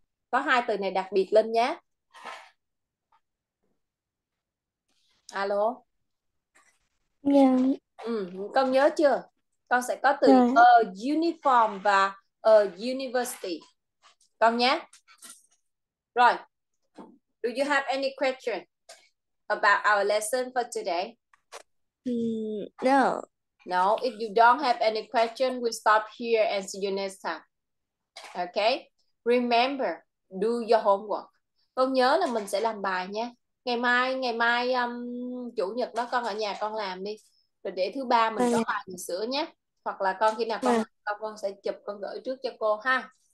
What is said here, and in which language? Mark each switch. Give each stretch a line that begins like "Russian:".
Vietnamese: Có hai từ này đặc biệt lên nhé. Alo. Ừ, con nhớ chưa? Con sẽ có từ Rồi.
English: a uniform và a university.
Vietnamese: Con nhé. Rồi.
English: Do you have any question about our lesson for today? No. No, if you don't have any question, we'll stop here and see you next time. Okay? Remember, do your homework.
Vietnamese: Con nhớ là mình sẽ làm bài nha. Ngày mai chủ nhật đó con ở nhà con làm đi. Rồi để thứ ba mình có bài mình sửa nhé. Hoặc là con khi nào con sẽ chụp con gửi trước cho cô ha.